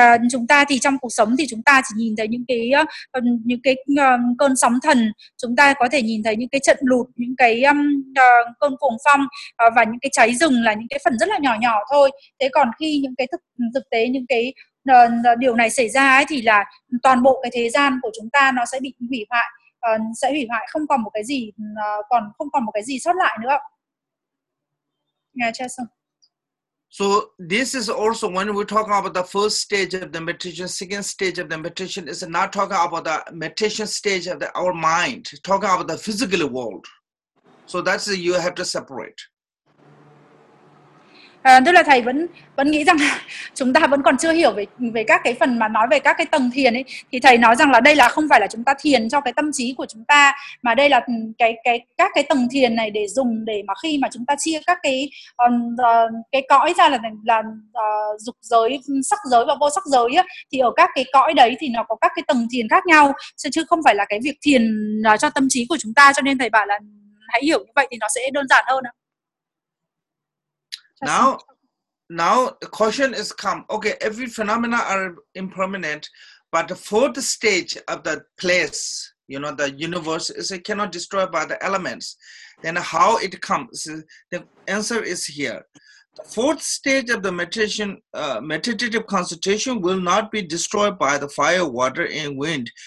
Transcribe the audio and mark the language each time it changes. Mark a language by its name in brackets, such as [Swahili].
[Vietnamese] Chúng ta thì trong cuộc sống thì chúng ta chỉ nhìn thấy những cái cơn sóng thần, chúng ta có thể nhìn thấy những cái trận lụt, những cái cơn cuồng phong và những cái cháy rừng là những cái phần rất là nhỏ nhỏ thôi. Thế còn khi những cái thực tế, những cái điều này xảy ra ấy, thì là toàn bộ cái thế gian của chúng ta nó sẽ bị hủy hoại, không còn một cái gì sót lại nữa. [English] So this is also when we talk about the first stage of the meditation, second stage of the meditation is not talking about the meditation stage of our mind, talking about the physical world. So that's you have to separate. [Vietnamese] Tức là thầy vẫn nghĩ rằng chúng ta vẫn còn chưa hiểu về các cái phần mà nói về các cái tầng thiền ấy, thì thầy nói rằng là đây là không phải là chúng ta thiền cho cái tâm trí của chúng ta, mà đây là các cái tầng thiền này để dùng để mà khi mà chúng ta chia các cái cõi ra là dục giới, sắc giới và vô sắc giới ấy, thì ở các cái cõi đấy thì nó có các cái tầng thiền khác nhau, chứ không phải là cái việc thiền cho tâm trí của chúng ta, cho nên thầy bảo là hãy hiểu như vậy thì nó sẽ đơn giản hơn ạ. [English] Now the question is come. Okay, every phenomena are impermanent, but the fourth stage of the place, you know, the universe is it cannot destroy by the elements. Then how it comes? The answer is here. The fourth stage of the meditative concentration will not be destroyed by the fire, water, and wind.